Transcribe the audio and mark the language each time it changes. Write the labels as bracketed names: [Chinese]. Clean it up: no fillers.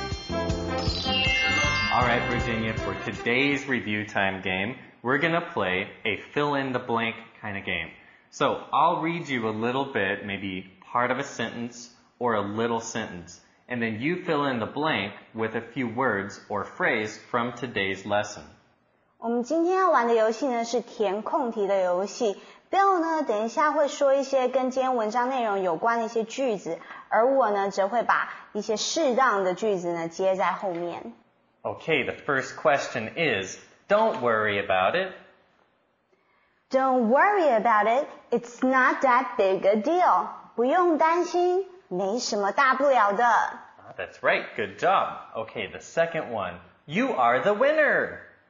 [English] All right, Virginia, for today's review time game, we're going to play a fill-in-the-blank kind of game. So I'll read you a little bit, maybe part of a sentence or a little sentence, and then you fill in the blank with a few words or phrase from today's lesson. [Chinese] 我们今天要玩的游戏呢是填空题的游戏。 Bill 呢等一下会说一些跟今天文章内容有关的一些句子，而我呢则会把一些适当的句子呢接在后面。 [English] Okay, the first question is, don't worry about it. Don't worry about it. It's not that big a deal. [Chinese] 不用担心，没什么大不了的。 [English] All That's right. Good job. Okay, the second one. You are the winner.